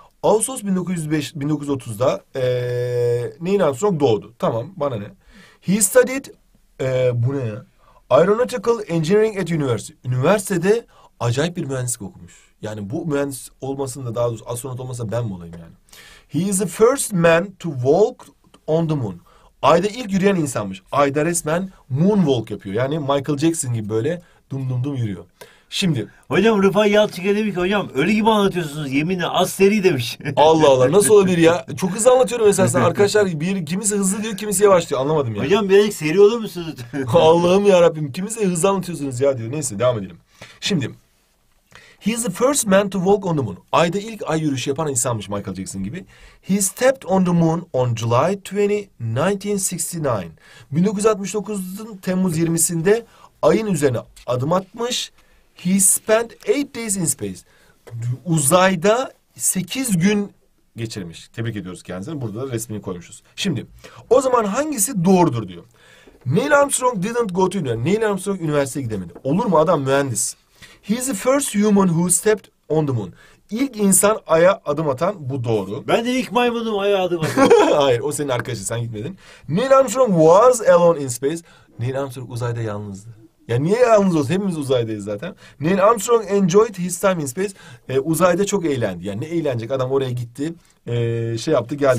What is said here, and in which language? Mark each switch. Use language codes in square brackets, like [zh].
[tr] Ağustos 1930'da Neil Armstrong doğdu. Tamam, bana ne? [en] He studied, [tr] bu ne ya? [en] Aeronautical Engineering at University. [tr] Üniversitede acayip bir mühendislik okumuş. Yani bu mühendis olmasında, daha doğrusu astronot olmasa ben mi olayım yani? [en] He is the first man to walk on the moon. [tr] Ay'da ilk yürüyen insanmış. Ay'da resmen moonwalk yapıyor. Yani Michael Jackson gibi böyle dum dum dum yürüyor. Şimdi. Hocam Rıfat Yalçıkaya demiş ki hocam öyle gibi anlatıyorsunuz yeminle asteri demiş. Allah Allah nasıl olabilir ya? Çok hızlı anlatıyorum esasen arkadaşlar. Bir, kimisi hızlı diyor kimisi yavaş diyor anlamadım ya. Hocam birazcık seri olur musunuz? Allah'ım yarabbim kimisi hızlı anlatıyorsunuz ya diyor. Neyse devam edelim. Şimdi. [en] He is the first man to walk on the moon. [tr] Ay'da ilk ay yürüyüşü yapan insanmış Michael Jackson gibi. [en] He stepped on the moon on July 20, 1969. [tr] 1969'un Temmuz 20'sinde ayın üzerine adım atmış. [en] He spent 8 days in space. [tr] Uzayda 8 gün geçirmiş. Tebrik ediyoruz kendisini. Burada da resmini koymuşuz. Şimdi o zaman hangisi doğrudur diyor. [en] Neil Armstrong didn't go to university. [tr] Neil Armstrong üniversiteye gidemedi. Olur mu adam mühendis? [en] He is the first human who stepped on the moon. [tr] İlk insan aya adım atan bu doğru. Ben de ilk maymunum aya adım atan. Hayır o senin arkadaşın sen gitmedin. [en] Neil Armstrong was alone in space. [tr] Neil Armstrong uzayda yalnızdı. Ya niye yalnız olsun? Hepimiz uzaydayız zaten. [en] Neil Armstrong enjoyed his time in space. [tr] Uzayda çok eğlendi. Yani ne eğlenecek? Adam oraya gitti. Şey yaptı geldi.